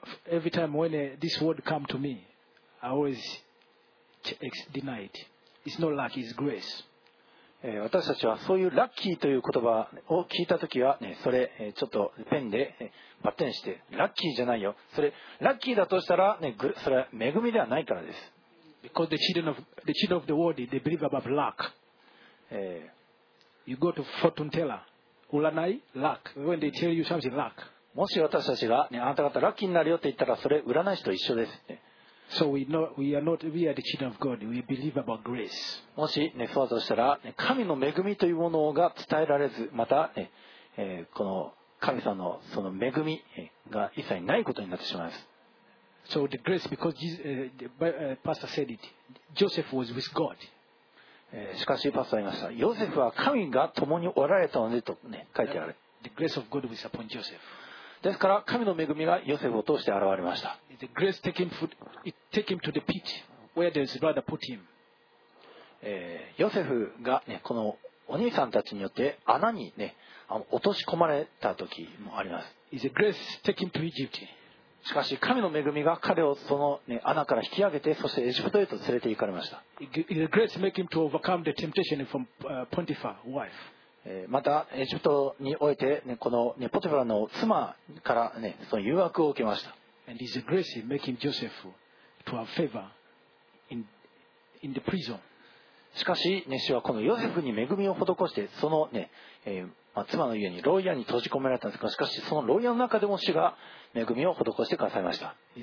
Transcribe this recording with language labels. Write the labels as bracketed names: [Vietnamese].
[English] Every time when this word come to me, I always deny it. It's not luck, it's grace. [Japanese] 私たちはそういうラッキーという言葉を聞いたときは、ね、それちょっとペンでバッテンしてラッキーじゃないよ。それラッキーだとしたら、ね、それは恵みではないからです。 [English] Because the children of the world, they believe about luck. You go to fortune teller, 占い luck. When they tell you something luck. [Japanese] もし私たちが、ね、あなた方ラッキーになるよって言ったら、それ占い師と一緒です、ね。 [English] So we are the children of God. We believe about grace. [Japanese] もし、ね、そうだとしたら、ね、神の恵みというものが伝えられず、また、ね、この神様のその恵みが一切ないことになってしまいます。 [English] So the grace, because Pastor said it, Joseph was with God. [Japanese] しかしパスタ言いました。ヨセフは神が共におられたのでと、ね、書いてある。 [English] The grace of God was upon Joseph. [Japanese] ですから神の恵みがヨセフを通して現れました。 [English] The grace took him to the pit where his brother put him. [Japanese] ヨセフが、ね、このお兄さんたちによって穴に、ね、落とし込まれた時もあります。 [English] Is a grace taken to Egypt. [Japanese] しかし神の恵みが彼をその、ね、穴から引き上げて、そしてエジプトへと連れて行かれました。 [English] It's a grace make him to overcome the temptation from Potiphar's wife. [Japanese] またエジプトにおいて、ね、この、ね、ポテファラの妻から、ね、その誘惑を受けました。 [English] And it's a grace make him Joseph to have favor in the prison. [Japanese] しかし、ね、主はこのヨセフに恵みを施して、その、ね、妻の家に、牢屋に閉じ込められたんですが、しかし、その牢屋の中でも主が恵みを施してくださいました。